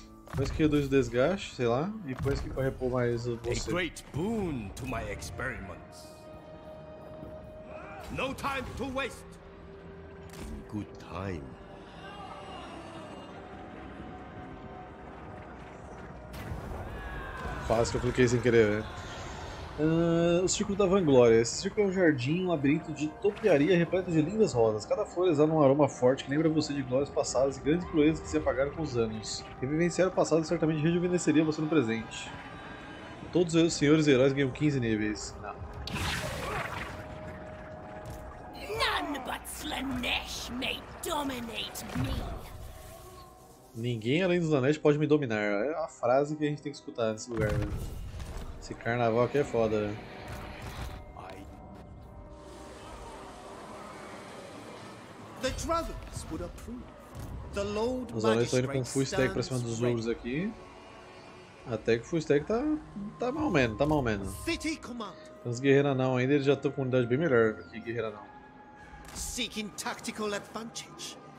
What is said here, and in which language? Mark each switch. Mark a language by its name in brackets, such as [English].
[Portuguese] Depois que reduz o desgaste, sei lá, e depois que corre por mais você. [English] A great boon to my experiments. No time to waste. In good time. [Portuguese] Quase que eu cliquei sem querer, né? O Círculo da Vanglória. Esse círculo é um jardim, um labirinto de topiaria repleto de lindas rosas. Cada flor exala um aroma forte que lembra você de glórias passadas e grandes proezas que se apagaram com os anos. Revivenciar o passado certamente rejuvenesceria você no presente. Todos os senhores e heróis ganham 15 níveis. Não. Ninguém além dos Slaanesh pode me dominar. É a frase que a gente tem que escutar nesse lugar, né? Esse carnaval aqui é foda, né? [English] The Dragons would approve. The Lord [Portuguese] Magistrate. Os anões estão indo com full stack pra cima dos ogros aqui. Até que o full stack tá mal menos, tá mal menos. City Commander. Os guerreiros não, ainda eles já estão com unidade bem melhor do que guerreiros não. [English] Seeking tactical advantage.